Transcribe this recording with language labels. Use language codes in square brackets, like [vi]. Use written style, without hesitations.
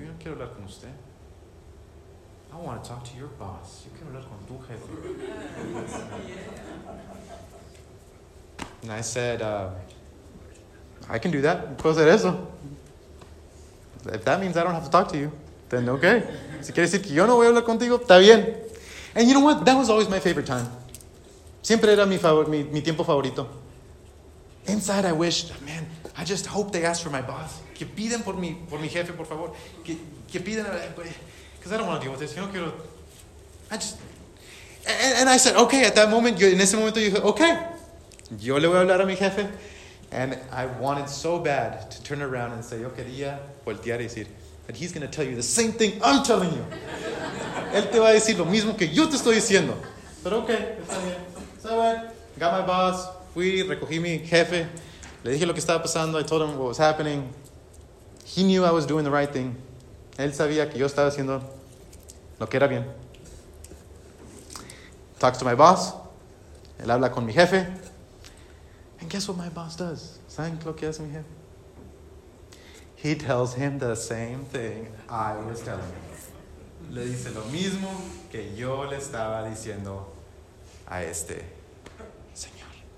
[es] Yo no quiero hablar con usted. [en] I want to talk to your boss. [es] Yo quiero hablar con tu jefe. [en] And I said, I can do that. [es] Puedo hacer eso. [en] If that means I don't have to talk to you, then okay. [es] Si quiere decir que yo no voy a hablar contigo, está bien. [en] And you know what? That was always my favorite time. [es] Siempre era mi tiempo favorito. [en] Inside I wished, man, I just hope they ask for my boss. [es] Que piden por mi jefe, por favor. Que piden, [en] because I don't want to deal with this. [es] Yo no quiero. [en] And I said, okay, at that moment, [es] en ese momento, [en] you said, okay. [es] Yo le voy a hablar a mi jefe. [en] And I wanted so bad to turn around and say, [es] yo quería voltear y decir, [en] and he's going to tell you the same thing I'm telling you. [es] Él te va a decir lo mismo que yo te estoy diciendo. [en] But okay, [es] está bien. [en] So bad. Got my boss. [es] Fui, recogí mi jefe. Le dije lo que estaba pasando. [en] I told him what was happening. He knew I was doing the right thing. [es] Él sabía que yo estaba haciendo lo que era bien. [en] Talks to my boss. [es] Él habla con mi jefe. [en] And guess what my boss does? [es] ¿Saben lo que hace mi jefe? [en] He tells him the same thing I was telling him. [es] Le dice lo mismo que yo le estaba diciendo a este señor.